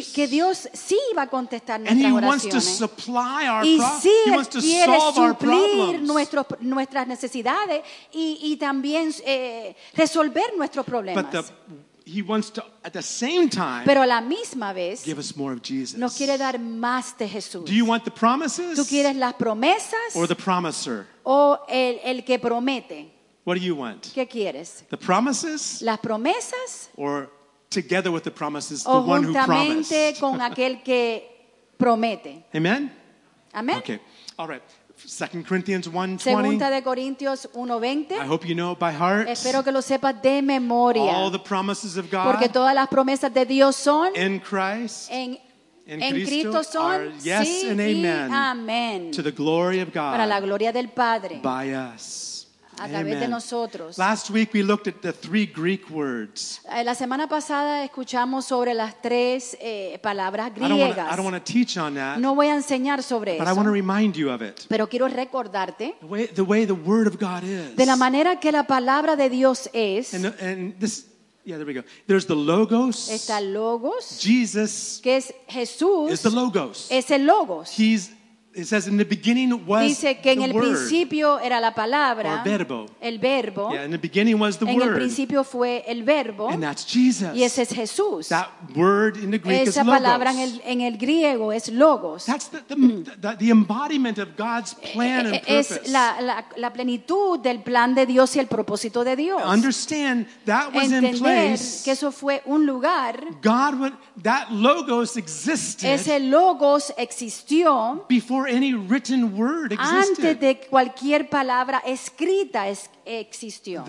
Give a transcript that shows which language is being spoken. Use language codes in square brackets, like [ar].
[es] Que Dios sí va a contestar nuestras oraciones. [en] And he wants to supply our [es] problems. Y sí, [en] he wants to solve our problems. [es] Suplir nuestras necesidades y también resolver nuestros problemas. [en] But he wants to, at the same time, [es] pero a la misma vez, [en] give us more of Jesus. [es] Nos quiere dar más de Jesús. [en] Do you want the promises? [es] ¿Tú quieres las promesas? [en] Or the promiser? [es] O el que promete. [en] What do you want? [es] ¿Qué quieres? [en] The promises? [es] Las promesas? [en] Or together with the promises, [es] o [en] the one who promised. [es] Con aquel que promete. [en] Amen? [es] Amen. [en] Okay. All right. 2 Corinthians 1:20. I hope you know it by heart. [es] Espero que lo sepas de memoria. [en] All the promises of God. [es] Porque todas las promesas de Dios son [en] in Christ. [es] En Cristo, Cristo son [en] are yes [es] sí [en] and amen, [es] y amen. [en] To the glory of God. [es] Para la gloria del Padre. [en] By us. [es] A través amen. De nosotros. [en] Last week we looked at the three Greek words. [es] La semana pasada escuchamos sobre las tres palabras griegas. [en] I don't want to teach on that. [es] No voy a enseñar sobre [en] but [es] eso. [en] I want to remind you of it. [es] Pero quiero recordarte. [en] The way the word of God is. [es] De la manera que la palabra de Dios es. [en] Yeah, there we go. There's the logos. [es] Está logos. [en] Jesus. [es] Que es Jesús. [en] Is the logos. [es] Es el logos. [en] He's It says in the beginning was [es] dice que en el principio era la palabra, [en] or verbo. [es] El verbo. [en] Yeah, in the beginning was the [es] en [en] word. [es] El principio fue el verbo. [en] And that's Jesus. [es] Y ese es Jesús. [en] That word in the Greek [es] esa [en] is logos. [es] Esa palabra en el griego es logos. [en] That's the embodiment of God's plan and purpose. [es] Es la plenitud del plan de Dios y el propósito de Dios. [en] Understand that was [es] entender [en] in place. [es] Que eso fue un lugar. [en] God would, that logos existed. [es] Ese logos existió. [en] Before any written word existed. [es] Antes de cualquier palabra escrita existió.